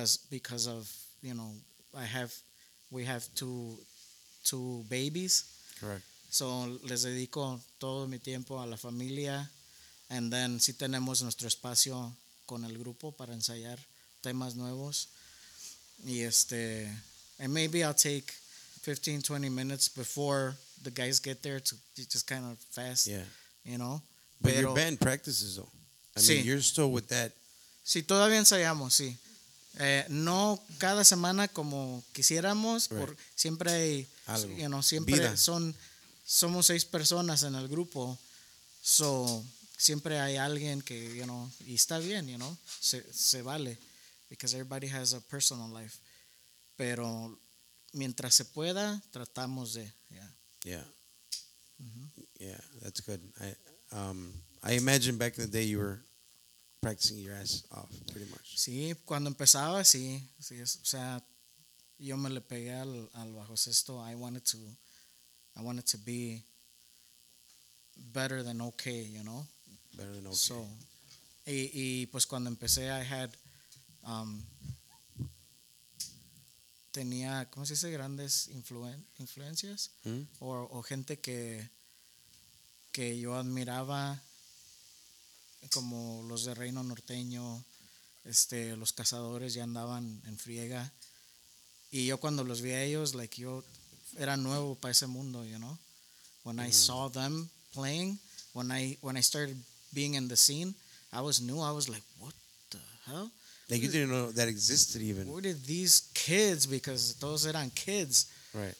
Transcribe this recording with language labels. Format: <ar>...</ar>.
<en>Because of, you know, we have two babies. Correct.</en> <es>So les dedico todo mi tiempo a la familia.</es> <en>And then</en> <es>sí tenemos nuestro espacio con el grupo para ensayar temas nuevos. Y este,</es> <en>and maybe I'll take 15, 20 minutes before the guys get there to just kind of fast, yeah. You know. But your band practices though. I mean, you're still with that.</en> <es>Sí, todavía ensayamos, sí. No cada semana como quisiéramos, right. Por siempre hay, algo. You know, siempre vida. Somos seis personas en el grupo, so siempre hay alguien que, you know, y está bien, you know, se vale,</es> <en>because everybody has a personal life,</en> <es>pero mientras se pueda, tratamos de, yeah.</es> <en>Yeah, mm-hmm. Yeah, that's good. I imagine back in the day you were practicing your ass off, pretty much.</en> <es>Sí, cuando empezaba, sí. Sí, o sea, yo me le pegué al bajo sexto.</es> <en>I wanted to be better than okay, you know? Better than okay.</en> <es>So, y pues cuando empecé, I had, tenía, ¿cómo se dice? Grandes influencias. Mm-hmm. O gente que yo admiraba, como los de Reino Norteño, este, los cazadores ya andaban en friega. Y yo cuando los vi a ellos, like, yo era nuevo para ese mundo, you know.</es> <en>When mm-hmm. I saw them playing, when I started being in the scene, I was new. I was like, what the hell? Like, you didn't know that existed even. Where did these kids, because</en> <es>todos eran kids,</es> <en>right?</en>